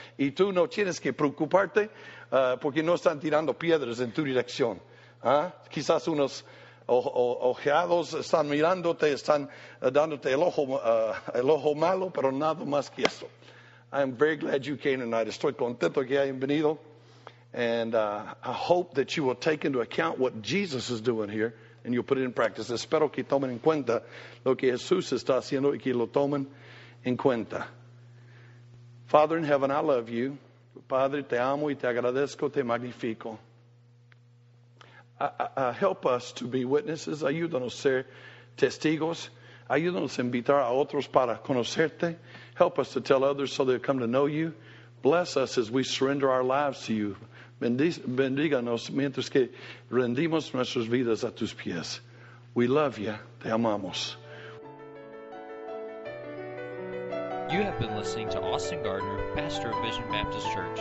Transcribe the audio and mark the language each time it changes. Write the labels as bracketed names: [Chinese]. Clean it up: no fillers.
[Spanish] Y tú no tienes que preocuparte porque no están tirando piedras en tu dirección. ¿Ah? Quizás unos ojeados están mirándote, están dándote el ojo malo, pero nada más que eso. [English] I'm very glad you came tonight. [Spanish] Estoy contento que hayan venido. [English] And I hope that you will take into account what Jesus is doing here. And you'll put it in practice. [Spanish] Espero que tomen en cuenta lo que Jesús está haciendo y que lo tomen en cuenta. [English] Father in heaven, I love you. [Spanish] Padre, te amo y te agradezco, te magnifico. [English] Help us to be witnesses. [Spanish] Ayúdanos a ser testigos. Ayúdanos a invitar a otros para conocerte. [English] Help us to tell others so they'll come to know you. Bless us as we surrender our lives to you. [Spanish] Bendíganos mientras que rendimos nuestras vidas a tus pies. [English] We love you. [Spanish] Te amamos. [English] You have been listening to Austin Gardner, pastor of Vision Baptist Church.